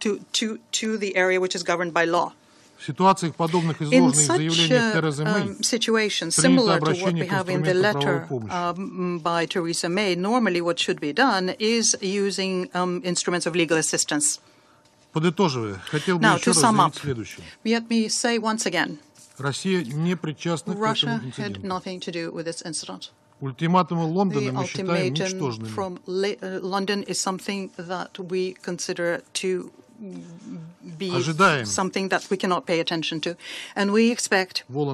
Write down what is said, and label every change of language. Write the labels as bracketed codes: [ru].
[en] give up on the imperial practices with belonging the 19th century, give up on ultimatums and threats, and on supported accusations, give up with the colonial habits, and get back to the area which is governed by law. [ru] В ситуациях, подобных изложенных заявлениях Терезы Мэй, принято обращение к инструментам правовой помощи. Подытоживая, хотел бы еще раз заявить следующее. Россия не причастна к этому инциденту. Ультиматумы Лондона мы считаем ничтожными. Be Ожидаем. [en] Something that we cannot pay attention to, and we expect.